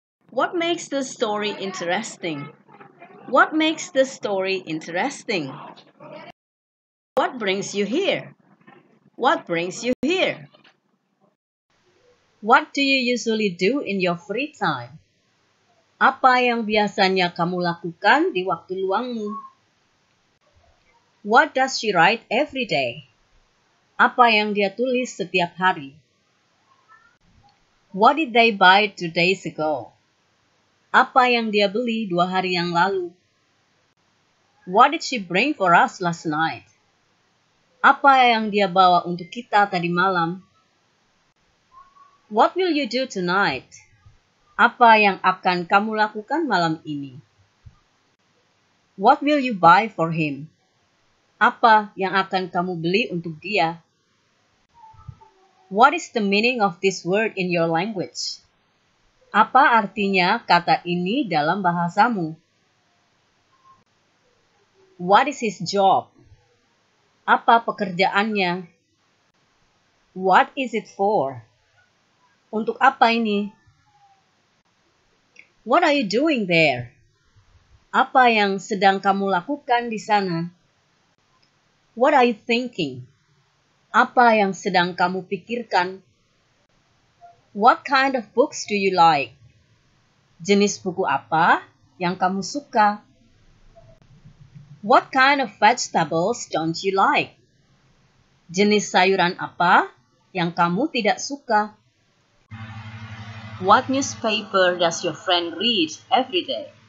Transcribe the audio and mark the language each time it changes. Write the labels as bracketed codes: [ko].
[en] What makes the story interesting? What makes the story interesting? What brings you here? What brings you here? What do you usually do in your free time? [id] Apa yang biasanya kamu lakukan di waktu luangmu? [en] What does she write every day? [id] Apa yang dia tulis setiap hari? [en] What did they buy 2 days ago? [id] Apa yang dia beli 2 hari yang lalu? [en] What did she bring for us last night? [id] Apa yang dia bawa untuk kita tadi malam? [en] What will you do tonight? [id] Apa yang akan kamu lakukan malam ini? [en] What will you buy for him? [id] Apa yang akan kamu beli untuk dia? [en] What is the meaning of this word in your language? [id] Apa artinya kata ini dalam bahasamu? [en] What is his job? [id] Apa pekerjaannya? [en] What is it for? [id] Untuk apa ini? [en] What are you doing there? [id] Apa yang sedang kamu lakukan di sana? [en] What are you thinking? [id] Apa yang sedang kamu pikirkan? [en] What kind of books do you like? [id] Jenis buku apa yang kamu suka? [en] What kind of vegetables don't you like? [id] Jenis sayuran apa yang kamu tidak suka? [en] What newspaper does your friend read every day?